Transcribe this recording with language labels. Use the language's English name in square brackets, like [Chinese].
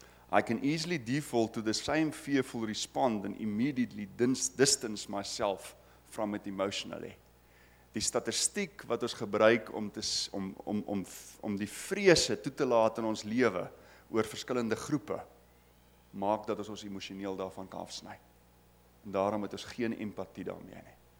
[English] I can easily default to the same fearful response and immediately distance myself from it emotionally. [Afrikaans] Die statistiek wat ons gebruik om die vrese toe te laat in ons lewe oor verskillende groepe maak dat ons emosioneel daarvan kan afsny. En daarom het ons geen empatie daarmee nie.